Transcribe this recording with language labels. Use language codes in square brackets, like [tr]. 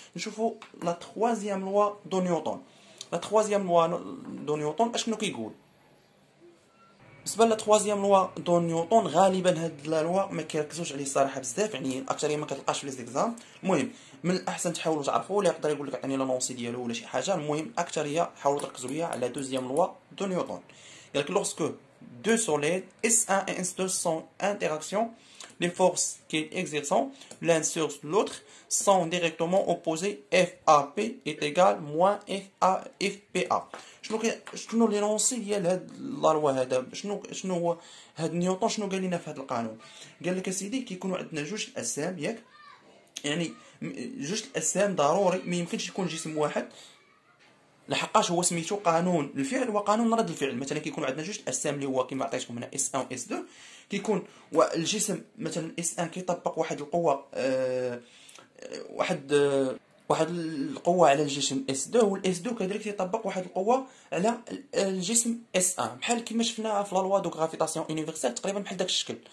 [ar] نشوفوا لا تخوازيام لوا دو نيوتن. لا تخوازيام لوا دو نيوتن اشنو كيقول؟ بالنسبه لا تخوازيام لوا دو نيوتن غالبا هاد لوا ما كيركزوش عليه الصراحه بزاف، يعني الاكثريه ما كتلقاش في ليزيكزام. المهم من الاحسن تحاولوا تعرفوا، ولا يقدر يقول لك عطيني لا نونسي ديالو ولا شي حاجه. المهم الاكثريه حاولوا تركزوا ليا على دوزيام لوا دو نيوتن. [fr] Donc lorsque deux solides S1 et S2 sont en interaction, les forces qu'ils exercent l'un sur l'autre sont directement opposées. FAP est égal moins FA, FPA. [ar] شنو لينونسي ديال هاد لا لوا هذا؟ شنو هو هاد نيوتن؟ شنو قال لنا في هاد القانون؟ قال لك اسيدي كيكونوا عندنا جوج الاجسام ياك، يعني جوج الاجسام ضروري ما يمكنش يكون جسم واحد. لحقاش هو سميتو قانون الفعل وقانون رد الفعل. مثلا كيكون عندنا جوج اجسام اللي هو كما عطيتكم هنا اس1 واس2، كيكون والجسم مثلا اس1 كيطبق واحد القوه واحد القوه على الجسم اس2، والاس2 كذلك كيطبق واحد القوه على الجسم اس1، بحال كما شفنا في لا لوا دو غرافيتاسيون يونيفرسال تقريبا بحال داك الشكل.